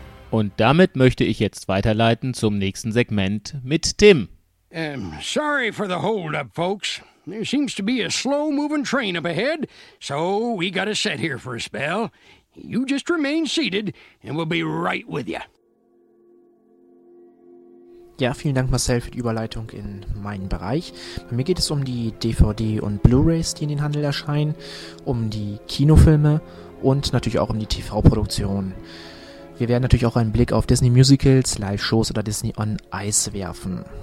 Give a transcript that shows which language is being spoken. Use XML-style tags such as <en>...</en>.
<de>Und damit möchte ich jetzt weiterleiten zum nächsten Segment mit Tim.</de> <en>Sorry for the hold up, folks. There seems to be a slow moving train up ahead, so we gotta sit here for a spell. You just remain seated and we'll be right with you.</en> <de>Ja, vielen Dank Marcel für die Überleitung in meinen Bereich. Bei mir geht es um die DVD und Blu-rays, die in den Handel erscheinen, um die Kinofilme und natürlich auch um die TV-Produktionen. Wir werden natürlich auch einen Blick auf Disney Musicals, Live-Shows oder Disney on Ice werfen.</de>